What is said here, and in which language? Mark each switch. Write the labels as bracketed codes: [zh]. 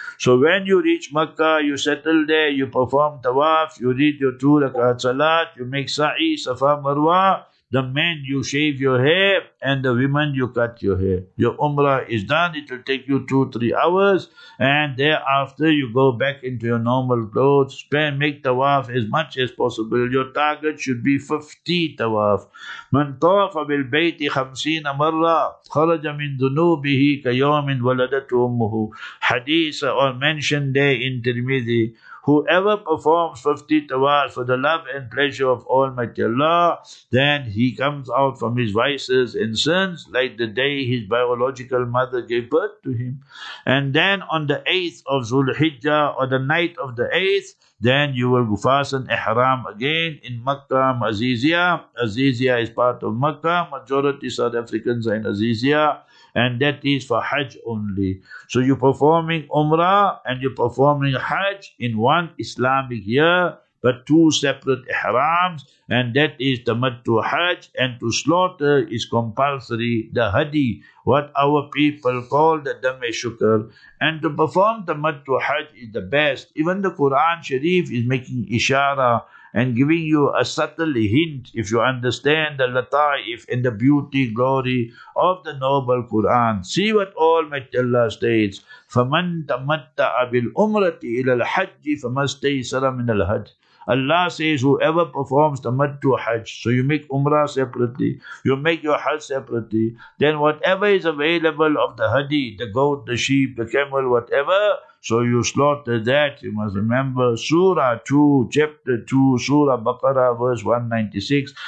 [en] So when you reach Makkah, you settle there, you perform Tawaf, you read your 2 rakat Salat, you make Sa'i, Safa, Marwa. The men, you shave your hair, and the women, you cut your hair. Your Umrah is done. It will take you 2-3 hours. And thereafter, you go back into your normal clothes. Make tawaf as much as possible. Your target should be 50 tawaf. [ar] مَنْ طَوَفَ بِالْبَيْتِ 50 مَرَّةٍ خَرَجَ مِنْ ذُنُوبِهِ كَيَوْمٍ وَلَدَتْهُ أُمُّهُ. [en] Hadith are mentioned there in Tirmidhi. Whoever performs 50 tawaf for the love and pleasure of Almighty Allah, then he comes out from his vices and sins like the day his biological mother gave birth to him. And then on the 8th of Zulhijjah, or the night of the 8th, then you will fasten ihram again in Makkah, Aziziya. Aziziya is part of Makkah. Majority South Africans are in Aziziya. And that is for Hajj only. So you're performing Umrah and you're performing Hajj in one Islamic year, but two separate ihrams. And that is tamattu Hajj. And to slaughter is compulsory the Hadi, what our people call the Dame Shukr. And to perform tamattu Hajj is the best. Even the Quran Sharif is making ishara and giving you a subtle hint, if you understand the lataif and the beauty, glory of the noble Quran. See what Almighty Allah states: [ar] "فَمَنْ تَمَتَّعَ بِالْأُمْرَةِ إِلَى الْحَجِّ فَمَسْتَيْسَرَ مِنَ الْهَجِّ." [en] Allah says, whoever performs the Tamattu Hajj, so you make Umrah separately, you make your Hajj separately, then whatever is available of the Hadi, the goat, the sheep, the camel, whatever, so you slaughter that. You must remember Surah 2, Chapter 2, Surah Baqarah, verse 196.